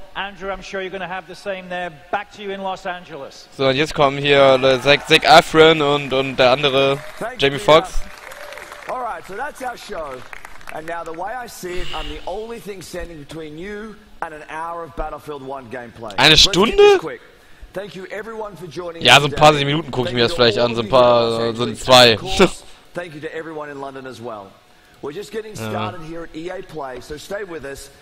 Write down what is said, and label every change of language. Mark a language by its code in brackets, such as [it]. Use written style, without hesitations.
[en] Andrew, I'm sure you're gonna have the same there. Back to you in Los Angeles. [de] So, und jetzt kommen hier Zac Efron und der andere, Jamie Foxx. [en] All right, so that's our show. And now the way I see it, I'm the only thing standing between you and an hour of Battlefield 1 gameplay. [de] Eine Stunde? [en] Thank you everyone for joining. [de] Ja, so ein paar Minuten gucke ich mir das vielleicht an, so ein paar, so ein zwei. [en] Thank you to everyone in London as well. We're just getting started here at EA Play, so stay with us.